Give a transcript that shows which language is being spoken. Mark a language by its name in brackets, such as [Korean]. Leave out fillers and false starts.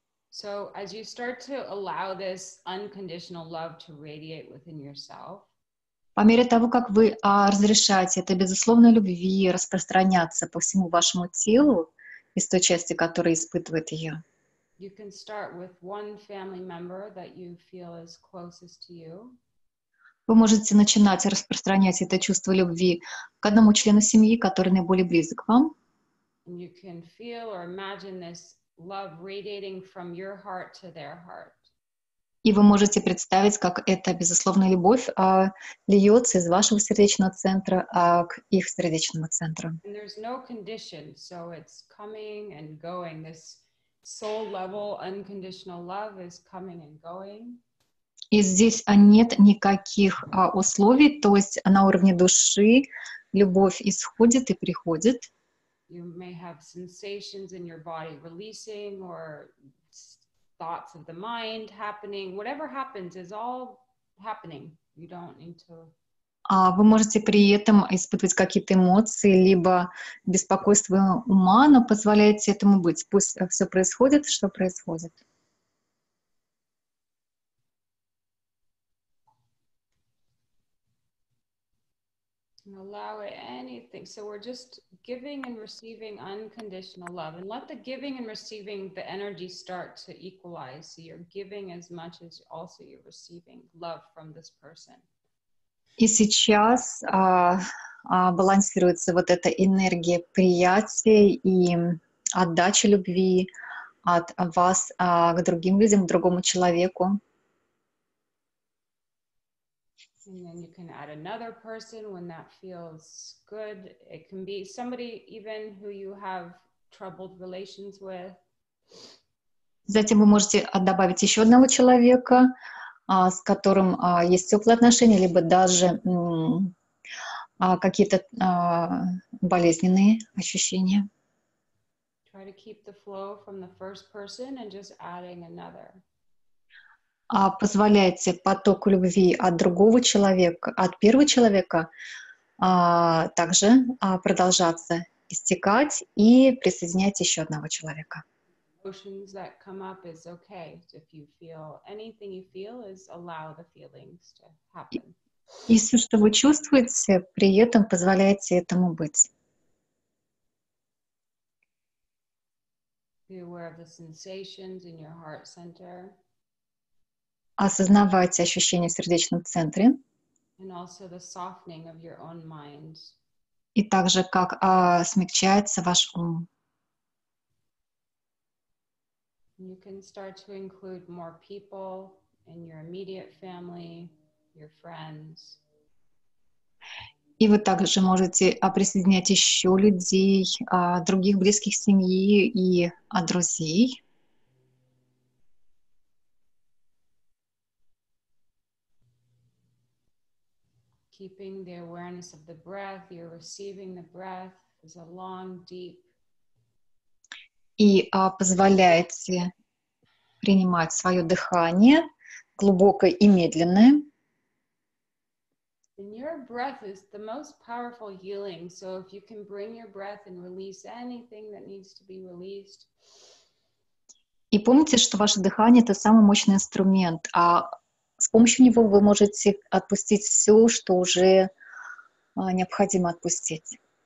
[English] So as you start to allow this unconditional love to radiate within yourself, [Russian] по мере того, как вы разрешаете этой безусловной любви распространяться по всему вашему телу, из той части, которая испытывает ее. [English] You can start with one family member that you feel is closest to you. [Russian] Вы можете начинать распространять это чувство любви к одному члену семьи, который наиболее близок к вам. [English] And you can feel or imagine this love radiating from your heart to their heart. [Russian] И вы можете представить, как эта безусловная любовь льется из вашего сердечного центра к их сердечному центру. [English] And there's no condition, so it's coming and going. This soul level unconditional love is coming and going. [Russian] И здесь нет никаких условий, то есть на уровне души любовь исходит и приходит. [English] You may have sensations in your body releasing or thoughts of the mind happening. Whatever happens is all happening. You don't need to. [Russian] Вы можете при этом испытывать какие-то эмоции либо беспокойство ума, но позволяете этому быть. Пусть все происходит, что происходит. [English] Allow it anything. So we're just giving and receiving unconditional love. And let the giving and receiving the energy start to equalize. So you're giving as much as also you're receiving love from this person. [Russian] И сейчас балансируется вот эта энергия приятия и отдачи любви от вас к другим людям, к другому человеку. [English] And then you can add another person when that feels good. It can be somebody even who you have troubled relations with. [Russian] Затем вы можете добавить еще одного человека, с которым есть теплые отношения, либо даже какие-то болезненные ощущения. [English] Try to keep the flow from the first person and just adding another. [Russian] Позволяйте потоку любви от другого человека, от первого человека также продолжаться истекать и присоединять еще одного человека. [English] Emotions that come up is okay. If you feel anything you feel, is allow the feelings to happen. [Russian] И все, что вы чувствуете, при этом позволяйте этому быть. [English] Be aware of the sensations in your heart center. [Russian] Осознавайте ощущения в сердечном центре. [English] And also the softening of your own mind. [Russian] И также, как смягчается ваш ум. [English] You can start to include more people in your immediate family, your friends. [Russian] И вы также можете присоединять еще людей, других близких семьи и друзей. [English] Keeping the awareness of the breath, you're receiving the breath as a long, deep. [Russian] И позволяете принимать свое дыхание глубокое и медленное. [English] And your breath is the most powerful healing. So if you can bring your breath and release anything that needs to be released. [Russian] И помните, что ваше дыхание — это самый мощный инструмент, а с помощью него вы можете отпустить все, что уже необходимо отпустить.